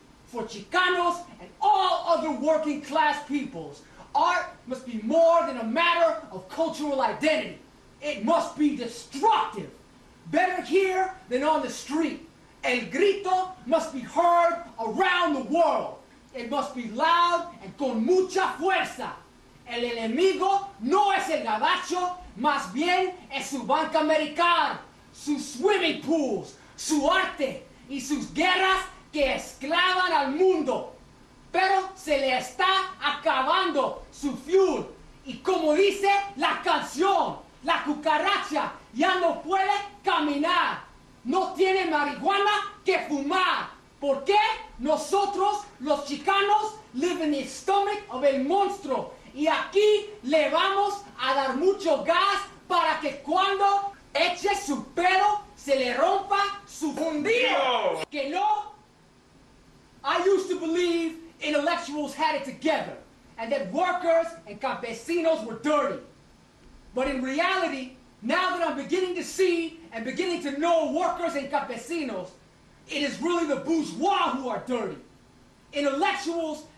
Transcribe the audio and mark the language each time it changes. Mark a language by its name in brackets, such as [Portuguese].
[English] For Chicanos and all other working class peoples, art must be more than a matter of cultural identity. It must be destructive, better here than on the street. [Spanish] El grito [English] must be heard around the world. It must be loud and [Spanish] con mucha fuerza. El enemigo no es el gabacho, más bien es su banca americana, sus [English] swimming pools, [Spanish] su arte y sus guerras que esclavan al mundo. Pero se le está acabando su fuel. Y como dice la canción, la cucaracha ya no puede caminar. No tiene marihuana que fumar. Porque nosotros, los chicanos, [English] live in the stomach of [Spanish] el monstruo. Y aquí le vamos a dar mucho gas para que cuando eche su pelo se le rompa su fundido. Que no. [English] I used to believe intellectuals had it together, and that workers and campesinos were dirty. But in reality, now that I'm beginning to see and beginning to know workers and campesinos, it is really the bourgeois who are dirty. Intellectuals